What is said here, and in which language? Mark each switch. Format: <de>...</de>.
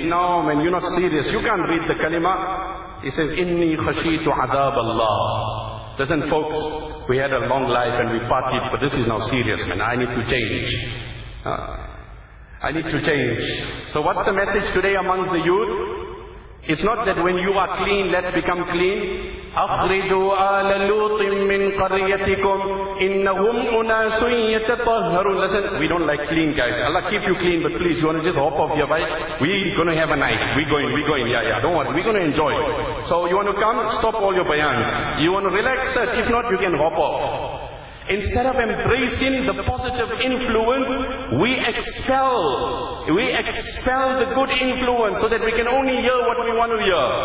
<en>No, man, you're not serious. You can't read the kalima. He says,</en> <ar>Inni khashitu adab Allah.</ar> <en>Listen, folks, we had a long life and we partied, but this is now serious, man. I need to change. I need to change. So what's the message today amongst the youth? It's not that when you are clean, let's become clean.</en> <ar>أخرجوا آل لوط من قريتكم إنهم أناس يتطهرون.</ar> <en>Listen, we don't like clean guys. Allah keep you clean, but please, you want to just hop off your bike? We're going to have a night. We're going. Yeah. Don't worry. We're going to enjoy. So you want to come? Stop all your bayans. You want to relax? Sir? If not, you can hop off. Instead of embracing the positive influence, we expel the good influence so that we can only hear what we want to hear.</en>